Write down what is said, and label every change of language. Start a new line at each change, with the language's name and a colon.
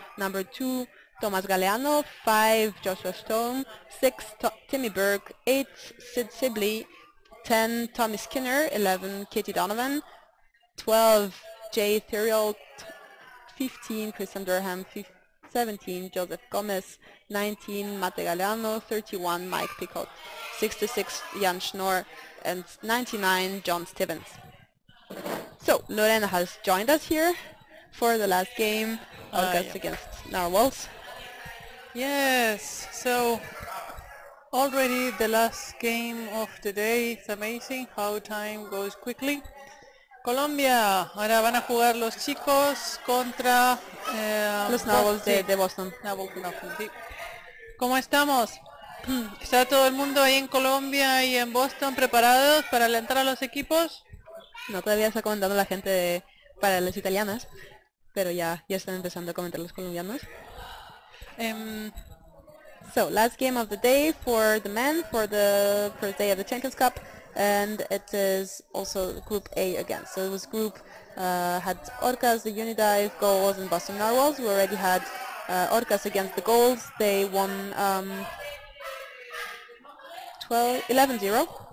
English: Number 2, Tomás Galeano, 5, Joshua Stone, 6, Timmy Burke, 8, Sid Sibley, 10, Tommy Skinner, 11, Katie Donovan, 12, Jay Theriault, 15, Christian Durham, 17, Joseph Gomez, 19, Mate Galeano, 31, Mike Picot, 66, Jan Schnorr, and 99, John Stevens. So, Lorena has joined us here for the last game, August against Narwhals. Yes, so already the last game of the day. It's amazing how time goes quickly.
Spanish: Colombia, ahora van a jugar los chicos contra los Narwhals de Boston. Narwhals, sí. ¿Cómo estamos? ¿Está todo el mundo ahí en Colombia y en Boston preparados para alentar a los equipos? No, todavía está comentando la gente para las italianas, pero ya están empezando a comentar los colombianos.
English: So, last game of the day for the men, for the first day of the Champions Cup. And it is also Group A again. So this group had Orcas, the Unidive, Goals, and Boston Narwhals. We already had Orcas against the Goals. They won 11-0.